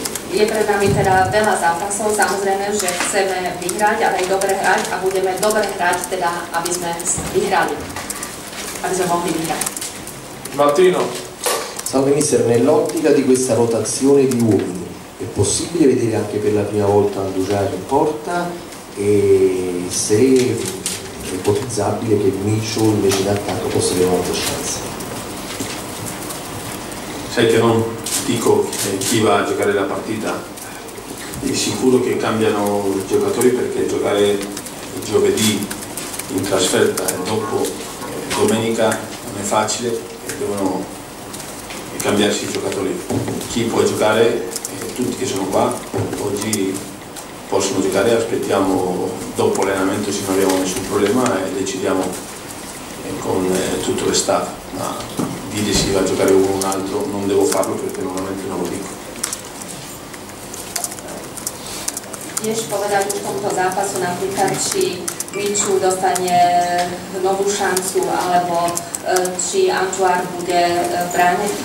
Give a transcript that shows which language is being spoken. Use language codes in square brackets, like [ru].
[sk] Je pre nami teda veľa zápasov, samozrejme, že chceme vyhrať, ale aj dobre hrať a budeme dobre hrať, teda, aby sme vyhrali, aby sme mohli vyhrať. [it] Martino. Salve mister, nell'ottica di questa rotazione di uomini è possibile vedere anche per la prima volta Andujar in porta e se è ipotizzabile che Micho invece d'attacco possa avere un'altra chance? Sai che non dico chi va a giocare la partita, è sicuro che cambiano i giocatori perché giocare il giovedì in trasferta e dopo domenica non è facile. Devono cambiarsi i giocatori. Chi può giocare, tutti che sono qua, oggi possono giocare, aspettiamo dopo l'allenamento se non abbiamo nessun problema e decidiamo con tutto lo staff. Ma dire se va a giocare uno o un altro non devo farlo perché normalmente non lo dico. [sk] Tiež povedať už v tomto zápasu napríklad, či Micho dostane novú šancu, alebo či Antoine bude brániť.